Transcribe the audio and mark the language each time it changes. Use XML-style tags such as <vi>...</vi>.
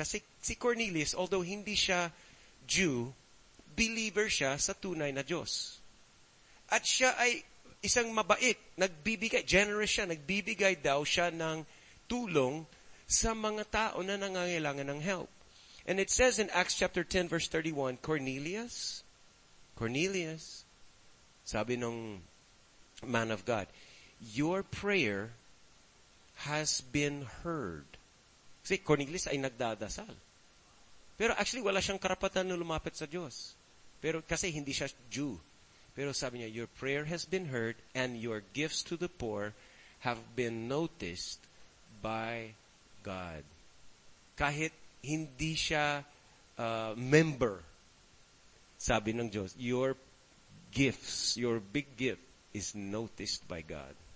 <tl>Kasi si Cornelius, although hindi siya Jew, believer siya sa tunay na Diyos. At siya ay isang mabait, nagbibigay, generous siya, nagbibigay daw siya ng tulong sa mga tao na nangangailangan ng help.</tl> <en>And it says in Acts chapter 10 verse 31, Cornelius,</en> <tl>sabi nung</tl> <en>man of God, your prayer has been heard.</en> <tl>Kasi Cornelius ay nagdadasal. Pero actually, wala siyang karapatan na lumapit sa Diyos. Pero kasi hindi siya Jew. Pero sabi niya,</tl> <en>your prayer has been heard and your gifts to the poor have been noticed by God.</en> <tl>Kahit hindi siya member, sabi ng Diyos,</tl> <en>your gifts, your big gift is noticed by God.</en>